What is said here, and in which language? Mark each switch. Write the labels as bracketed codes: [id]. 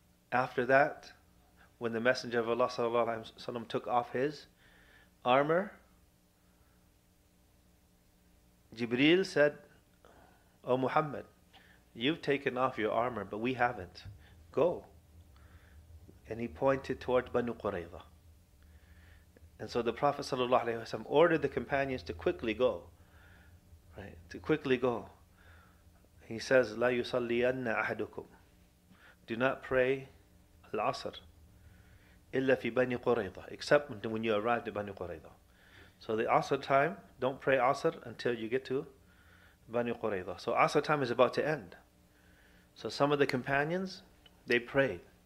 [en] After that, when the Messenger of Allah sallallahu alayhi wa sallam took off his armor, Jibreel said, O Muhammad, you've taken off your armor, but we haven't. Go. And he pointed towards Banu Qurayza. And so the Prophet ﷺ ordered the companions to quickly go. Right? To quickly go. He says, [ar] لَا يُصَلِّيَنَّ أَحَدُكُمْ. [en] Do not pray al-Asr [ar] إِلَّا فِي بَنِي قُرَيْضَ. [en] Except when you arrive at Banu Qurayza. So the Asr time, don't pray Asr until you get to Banu Qurayza. So Asr time is about to end. So some of the companions, they prayed.